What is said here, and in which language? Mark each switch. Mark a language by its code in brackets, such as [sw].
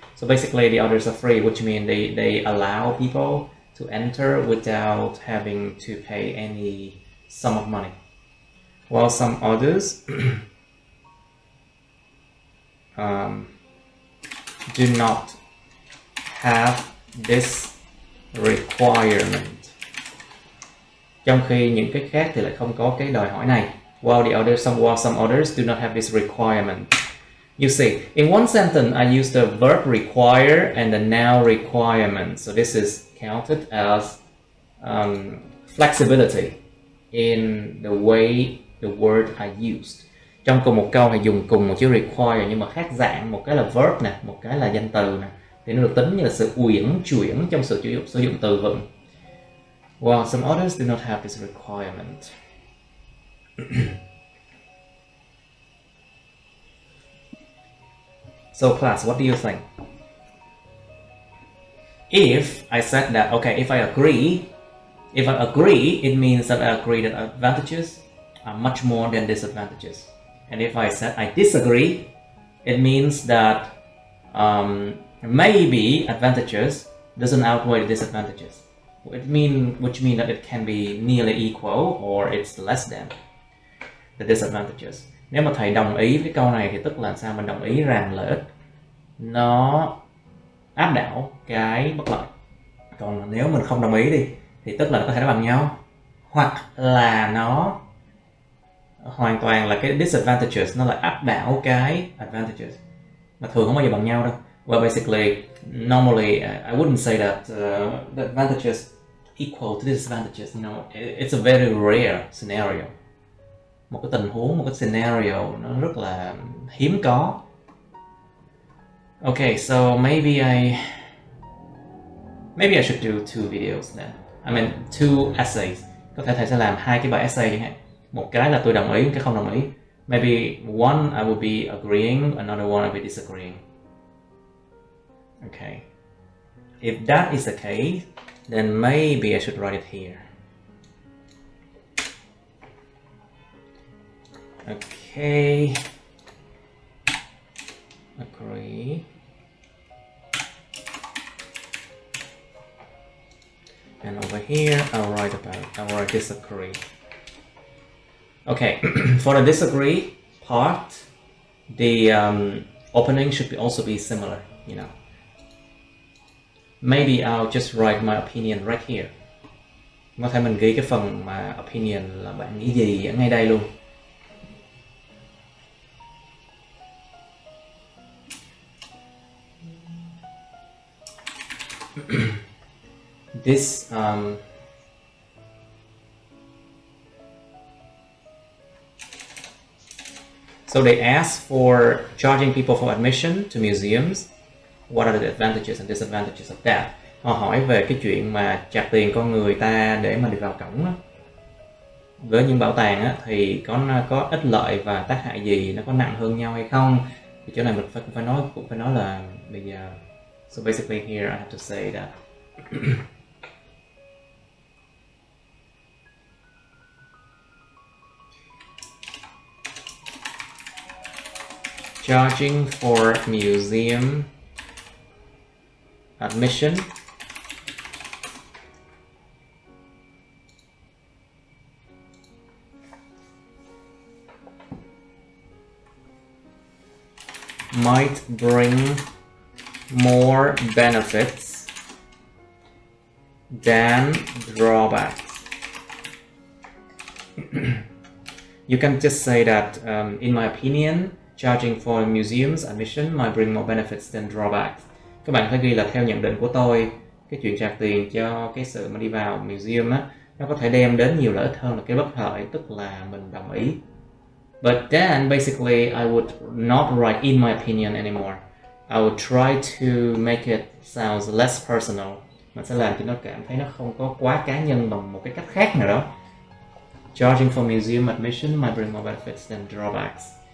[en] So basically the others are free, which means they allow people to enter without having to pay any sum of money. While some others do not have this requirement. [vi] Trong khi những cái khác thì lại không có cái đòi hỏi này. [en] While some others do not have this requirement. You see, in one sentence, I use the verb require and the noun requirement. So this is counted as flexibility in the way the word I used. [vi] Trong cùng một câu hay dùng cùng một chữ require nhưng mà khác dạng, một cái là verb nè, một cái là danh từ nè, thì nó được tính như là sự uyển chuyển trong sự sử dụng từ vựng. [en] While some others do not have this requirement. So class, what do you think? If I said that, okay, if I agree, it means that I agree that advantages are much more than disadvantages. And if I said I disagree, it means that maybe advantages doesn't outweigh the disadvantages. Which means that it can be nearly equal or it's less than the disadvantages. [vi] Nếu mà thầy đồng ý với câu này thì tức là sao? Mình đồng ý rằng lợi ích nó áp đảo cái bất lợi. Còn nếu mình không đồng ý đi thì tức là nó có thể nó bằng nhau, hoặc là nó hoàn toàn là cái disadvantages nó lại áp đảo cái advantages, mà thường không bao giờ bằng nhau đâu. [en] Well, basically normally I wouldn't say that the advantages equal to disadvantages, you know, it's a very rare scenario. [vi] Một cái tình huống, một cái scenario nó rất là hiếm có. [en] Okay, so maybe I should do two videos then. I mean two essays. [vi] Có thể thầy sẽ làm hai cái bài essay chẳng hạn. Một cái là tôi đồng ý, một cái không đồng ý. [en] Maybe one I will be agreeing, another one I will be disagreeing. Okay. If that is the case, then maybe I should write it here. Okay. Agree. And over here, I'll write disagree. Okay, for the disagree part, the opening should also be similar, you know. Maybe I'll just write my opinion right here. [vi] Có thể mình ghi cái phần mà opinion là bạn nghĩ gì ở ngay đây luôn. [en] This So they ask for charging people for admission to museums. What are the advantages and disadvantages of that? [vi] Họ hỏi về cái chuyện mà chặt tiền con người ta để mà được vào cổng đó. Với những bảo tàng á, thì có ích lợi và tác hại gì, nó có nặng hơn nhau hay không? Thì chỗ này mình cũng phải nói là bây giờ. [en] So basically here I have to say that charging for museum admission might bring more benefits than drawbacks. You can just say that, in my opinion, charging for museums admission might bring more benefits than drawbacks. [vi] Các bạn có thể ghi là theo nhận định của tôi, cái chuyện trả tiền cho cái sự mà đi vào museum á, nó có thể đem đến nhiều lợi ích hơn là cái bất lợi, tức là mình đồng ý. [en] But then basically I would not write in my opinion anymore. I would try to make it sounds less personal. [vi] Mình sẽ làm cho nó cảm thấy nó không có quá cá nhân bằng một cái cách khác nào đó. [en] Charging for museum admission might bring more benefits than drawbacks.